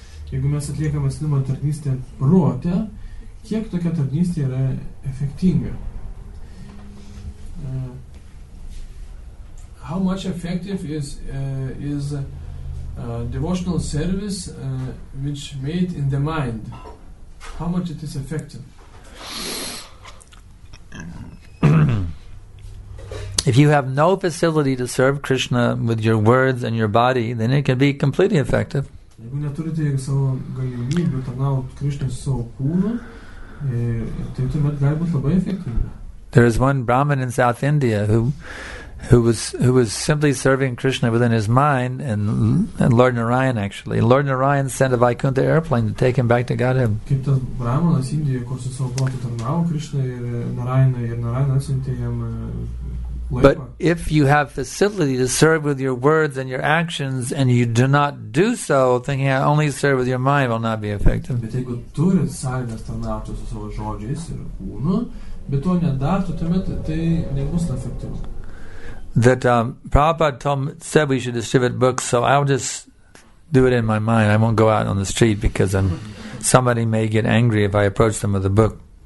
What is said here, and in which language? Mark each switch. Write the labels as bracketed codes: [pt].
[lt] Jeigu mes atliekame asmeninę tarnystę prote, kiek tokia tarnystė yra efektinga? [en] How much effective is devotional service which made in the mind, how much it is effective? If you have no facility to serve Krishna with your words and your body, then it can be completely effective. [lt] Jeigu neturite savo galimybių tarnauti Krishna savo kūnu, tai tuomet gali būti labai efektyvu. [en] There is one Brahmin in South India who was simply serving Krishna within his mind and Lord Narayan actually. Lord Narayan sent a Vaikuntha airplane to take him back to Godhead. [lt] Kaip tas Brahmanas Indijoje, kur su savo protu tarnavo Krishna ir Narayana atsiuntė jam laivą. [en] But if you have facility to serve with your words and your actions and you do not do so, thinking I only serve with your mind will not be effective. [lt] Bet jeigu turi sąlygas tarnauti su savo žodžiais ir kūnu, bet to nedarto, tuomet tai nebus efektyvu. [en] That Prabhupada said we should distribute books, so I'll just do it in my mind. I won't go out on the street because somebody may get angry if I approach them with a book.